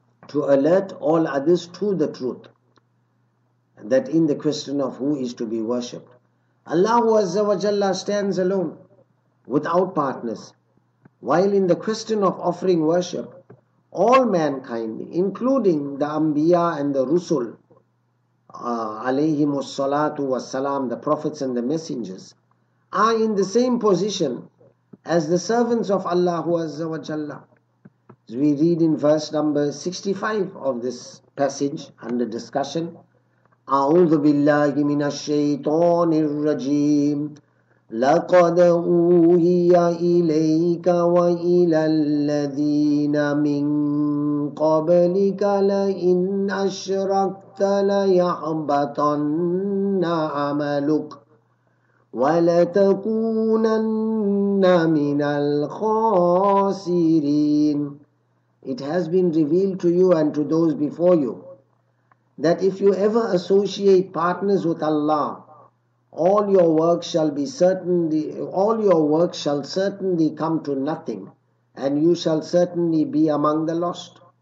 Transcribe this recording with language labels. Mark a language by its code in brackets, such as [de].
[en] Allah [ar] Azza wa Jalla [en] stands alone without partners, while in the question of offering worship, all mankind, including the Anbiya and the Rusul, [ar] alayhimus salatu was salam, [en] the prophets and the messengers, are in the same position as the servants of Allah Azza wa Jalla. As we read in verse number 65 of this passage under discussion, [ar] أعوذ بالله من الشيطان الرجيم لقد أوحي إليك وإلى الذين من قبلك لئن أشركت ليحبطن عملك ولتكونن من الخاسرين. [en] It has been revealed to you and to those before you that if you ever associate partners with Allah, all your work shall certainly come to nothing, and you shall certainly be among the lost.